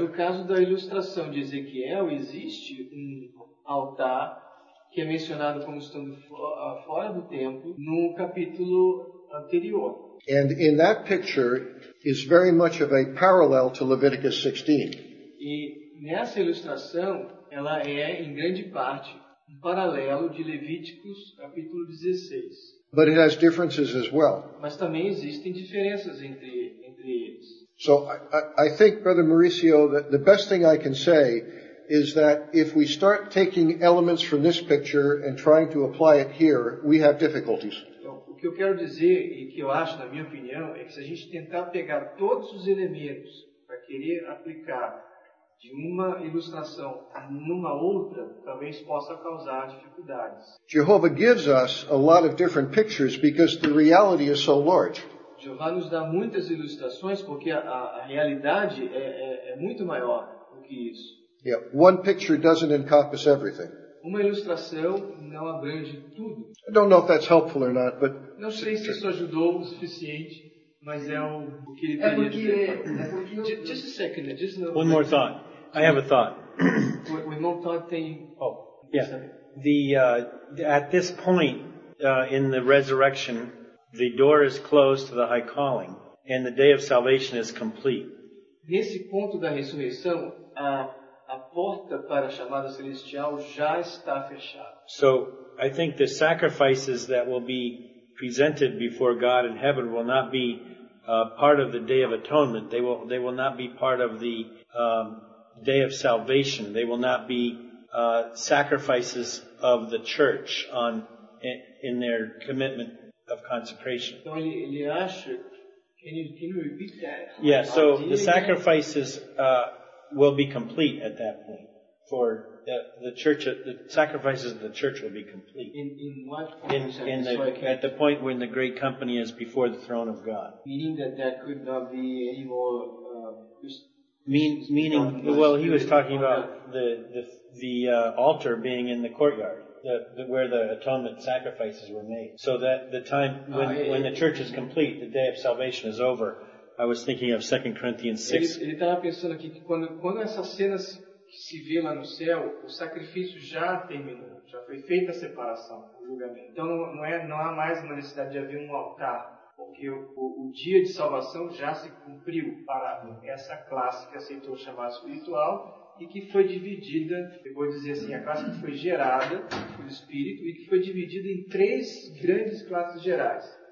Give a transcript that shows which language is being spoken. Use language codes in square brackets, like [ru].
[pt] No caso da ilustração de Ezequiel, existe altar que é mencionado como estando fora do templo no capítulo anterior. [en] And in that picture is very much of a parallel to Leviticus 16. [pt] E nessa ilustração, ela é em grande parte um paralelo de Levíticos capítulo 16. [en] But it has differences as well. [pt] Mas também existem diferenças entre eles. [en] So I think, Brother Mauricio, that the best thing I can say is that if we start taking elements from this picture and trying to apply it here, we have difficulties. [pt] O que eu quero dizer e que eu acho, na minha opinião, é que se a gente tentar pegar todos os elementos para querer aplicar de uma ilustração numa outra, talvez possa causar dificuldades. [en] Jehovah gives us a lot of different pictures because the reality is so large. [pt] Jeová nos dá muitas ilustrações porque a realidade é muito maior do que isso. [en] Yeah, one picture doesn't encompass everything. [pt] Uma ilustração não abrange tudo. [en] I don't know if that's helpful or not, but [pt] não sei se isso ajudou o suficiente, mas é o que ele teria porque, dizer. [en] Just a second. One more thought. I have a thought. [pt] O irmão Todd tem... [en] Oh, yeah. At this point in the resurrection, the door is closed to the high calling, and the day of salvation is complete. [pt] Nesse ponto da ressurreição, a porta para a chamada celestial já está fechada. [en] So, I think the sacrifices that will be presented before God in heaven will not be part of the Day of Atonement. They will not be part of the Day of Salvation. They will not be sacrifices of the church in their commitment of consecration. [pt] Então, ele acha, [en] can you repeat that? Yeah, so the sacrifices will be complete at that point. For the church, the sacrifices of the church will be complete. In what point? At the point when the great company is before the throne of God. Meaning that there could not be any more meaning, well, he was talking about the altar being in the courtyard, where the atonement sacrifices were made. So that the time when the church is complete, the day of salvation is over. I was thinking of 2 Corinthians 6. [pt] Ele estava pensando aqui que quando essa cena se vê lá no céu, o sacrifício já terminou, já foi feita a separação, o julgamento. Então não há mais uma necessidade de haver um altar, porque o dia de salvação já se cumpriu para essa classe que aceitou o chamado espiritual e que foi dividida, eu vou dizer assim, a classe que foi gerada pelo Espírito e que foi dividida em três grandes classes gerais.